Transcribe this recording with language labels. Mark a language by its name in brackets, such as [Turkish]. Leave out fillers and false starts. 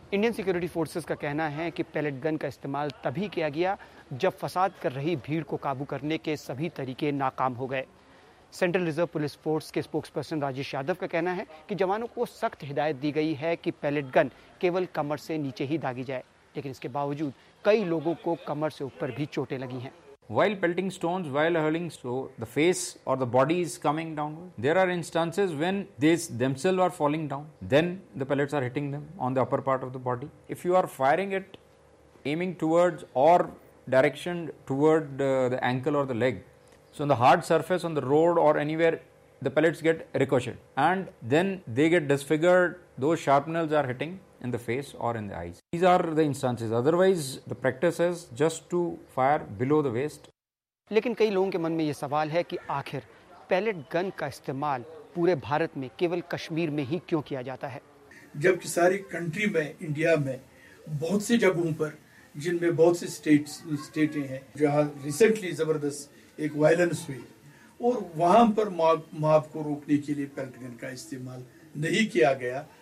[Urdu] Indian security forces کا کہنا ہے کہ پیلٹ گن کا استعمال تبھی کیا گیا جب فساد کر رہی بھیڑ کو قابو کرنے کے سبھی طریقے ناکام ہو گئے. سینٹرل ریزرو پولیس فورس کے اسپوکس پرسن راجیش یادو کا کہنا ہے کہ جوانوں کو سخت ہدایت دی گئی ہے کہ پیلٹ گن کیول کمر سے نیچے ہی داغی جائے, لیکن اس کے باوجود کئی لوگوں کو کمر سے اوپر بھی چوٹیں لگی ہیں. [English] While pelting stones, while hurling, so the face or the body is coming downward. There are instances when they themselves are falling down, then the pellets are hitting them on the upper part of the body. If you are firing it, aiming towards or direction toward the ankle or the leg, so on the hard surface, on the road or anywhere, the pellets get ricocheted and then they get disfigured. Those sharpnels are hitting in the face or in the eyes. These are the instances. Otherwise, the practice is just to fire below the waist. [Urdu] لیکن کئی لوگوں کے من میں یہ سوال ہے کہ آخر پیلٹ گن کا استعمال پورے بھارت میں کیول کشمیر میں ہی کیوں کیا جاتا ہے؟ جبکہ ساری کنٹری میں, انڈیا میں بہت سے جگہوں پر جن میں بہت سے اسٹیٹیں ہیں جہاں ریسنٹلی زبردست ایک وائلنس ہوئی اور وہاں پر ماب کو روکنے کے لیے پیلٹ گن کا استعمال نہیں کیا گیا.